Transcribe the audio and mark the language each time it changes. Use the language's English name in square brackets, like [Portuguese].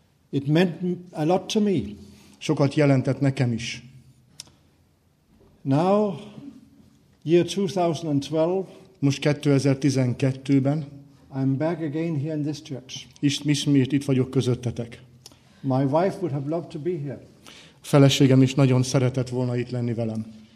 [English] It meant a lot to me. [Hungarian] Sokat jelentett nekem is. [English] Now, year 2012. [Hungarian] Most 2012-ben. [English] I'm back again here in this church. [Hungarian] Ismét itt vagyok közöttetek. [English] My wife would have loved to be here. [Hungarian] A feleségem is nagyon szeretett volna itt lenni velem.